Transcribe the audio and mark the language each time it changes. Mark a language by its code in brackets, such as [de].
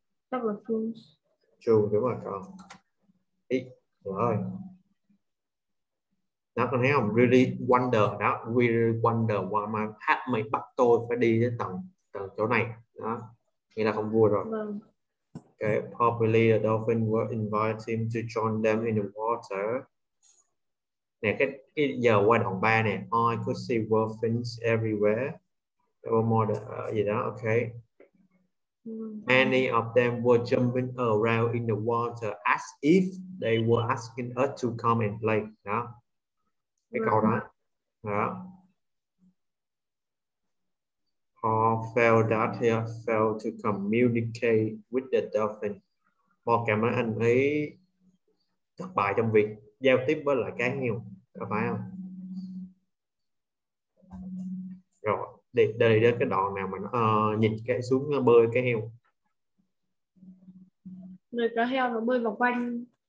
[vi] Chắc là false. True đúng rồi con. Ý rồi nó còn thấy không, really wonder đó, [en] really wonder why [vi] mà hát mày bắt tôi phải đi đến tầng tầng chỗ này đó, nghĩa là không vui rồi. Vâng. [en] Okay, probably the dolphin will invite him to join them in the water. [vi] Nè, cái giờ qua đoạn 3 nè. [en] I could see dolphins everywhere. There were more than, [vi] gì đó, [en] okay. Many of them were jumping around in the water as if they were asking us to come and play. [vi] Đó. Cái câu đó. Đó. [en] Paul felt that he failed to communicate with the dolphin. [vi] Paul cảm thấy anh ấy thất bại trong việc giao tiếp với lại cá heo, có phải không? Rồi, để đây đến cái đoạn nào mà nó nhìn cái xuống bơi cá heo. Rồi cá heo nó bơi vòng quanh.